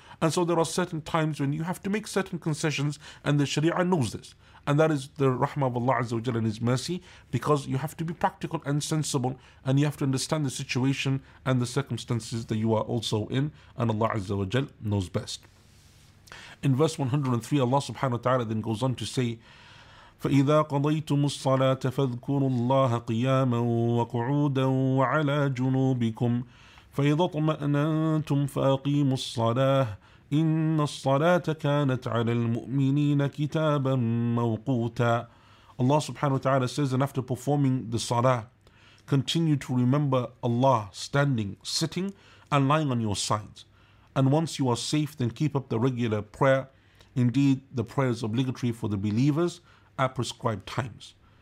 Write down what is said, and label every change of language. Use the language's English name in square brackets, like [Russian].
[English] And so there are certain times when you have to make certain concessions, and the Sharia knows this. And that is the rahmah of Allah Azza wa Jalla and His mercy, because you have to be practical and sensible, and you have to understand the situation and the circumstances that you are also in, and Allah Azza wa Jalla knows best. In verse 103, Allah subhanahu wa ta'ala then goes on to say, [Arabic] فَإِذَا قَضَيْتُمُ الصَّلَاةَ فَاذْكُرُوا اللَّهَ قِيَامًا وَقُعُودًا وَعَلَى جُنُوبِكُمْ فَإِذَا طَمَأْنَنْتُمْ فَأَقِيمُوا الصَّلَاةَ إِنَّ الصَّلَاةَ كَانَتْ عَلَى الْمُؤْمِنِينَ كِتَابًا مَوْقُوتًا. [English] Allah subhanahu wa ta'ala says, and after performing the salah, continue to remember Allah standing, sitting, and lying on your sides. And once you are safe, then keep up the regular prayer. Indeed, the prayer is obligatory for the believers at prescribed times.